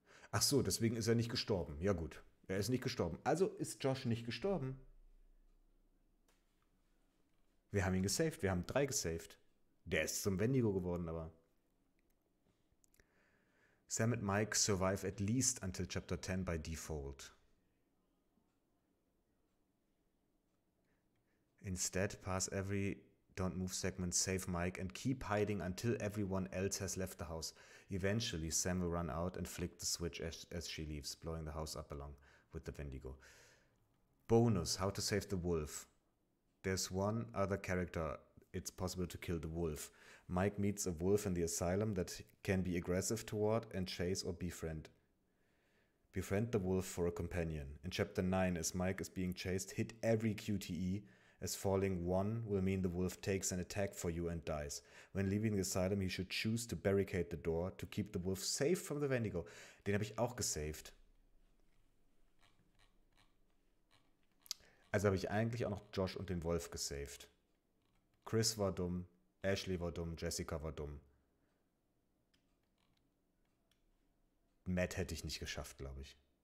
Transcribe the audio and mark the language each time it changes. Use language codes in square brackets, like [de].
[de] Ach so, deswegen ist er nicht gestorben. Ja gut, er ist nicht gestorben. Also ist Josh nicht gestorben. Wir haben ihn gesaved, wir haben drei gesaved. Der ist zum Wendigo geworden, aber. [en] Sam and Mike survive at least until Chapter 10 by default. Instead, pass every don't move segment, save Mike and keep hiding until everyone else has left the house. Eventually, Sam will run out and flick the switch as she leaves, blowing the house up along with the Wendigo. Bonus, how to save the wolf. There's one other character. It's possible to kill the wolf. Mike meets a wolf in the asylum that can be aggressive toward and chase or befriend. Befriend the wolf for a companion. In Chapter 9, as Mike is being chased, hit every QTE, as falling one will mean the wolf takes an attack for you and dies. When leaving the asylum, he should choose to barricade the door to keep the wolf safe from the Wendigo. [de] Den habe ich auch gesaved. Also habe ich eigentlich auch noch Josh und den Wolf gesaved. Chris war dumm, Ashley war dumm, Jessica war dumm. Matt hätte ich nicht geschafft, glaube ich.